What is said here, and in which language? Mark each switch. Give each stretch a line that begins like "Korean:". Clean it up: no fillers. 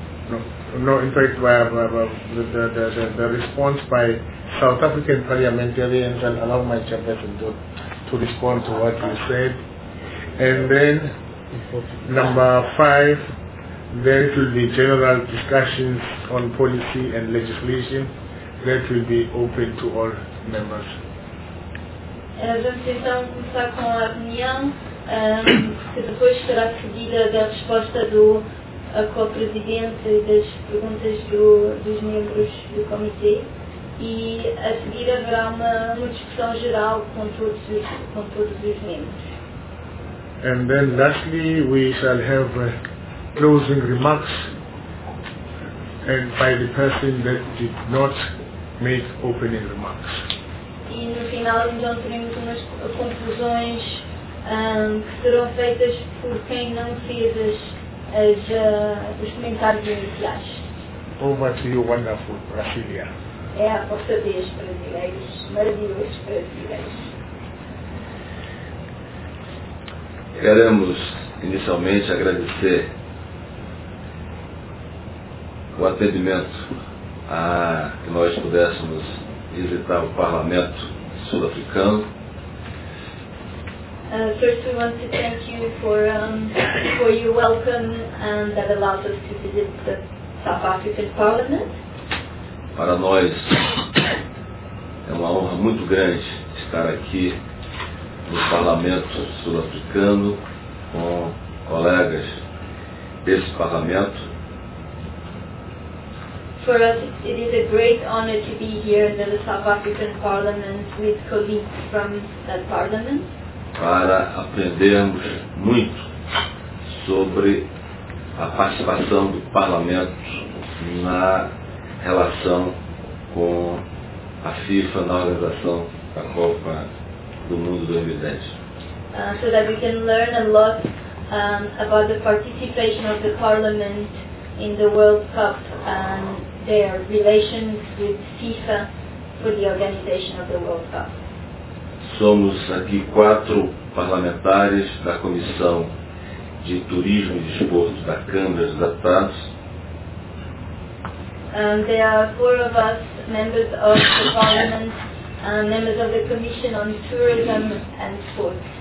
English: the response by South African parliamentarians, and allow my chairperson to respond to what you said, and then number five, there will be general discussions on policy and legislation that will be open to all members.
Portuguese: Vamos então começar com a reunião, que depois será seguida da resposta do co-presidente e das perguntas dos membros do comitê, e a seguir haverá uma discussão geral com todos os membros.
English: And then lastly we shall have closing remarks and by the person that did not make opening remarks.
Portuguese: E no final então teremos umas conclusões que serão feitas por quem não fez os comentários iniciais.
English: Over to you, wonderful Brasilia.
Portuguese: É a força deles, brasileiros, maravilhosos brasileiros. Queremos inicialmente agradecer o atendimento a que nós pudéssemos visitar o Parlamento Sul-Africano.
English: First, we want to thank you for your welcome and that allowed us to visit the South African Parliament.
Portuguese: Para nós é uma honra muito grande estar aqui no Parlamento Sul-Africano com colegas desse Parlamento.
English: For us, it is a great honor to be here in the South African Parliament with colleagues from that Parliament.
Portuguese: Para aprendermos muito sobre a participação do Parlamento na relação com a FIFA na organização da Copa do Mundo 2010.
English: So that we can learn a lot about the participation of the Parliament in the World Cup and their relations with FIFA for the organization of the World Cup.
Portuguese: Somos aqui quatro parlamentares da Comissão de Turismo e Desporto da Câmara dos Deputados.
English: There are four of us members of the Parliament, members of the Commission on Tourism and Sport.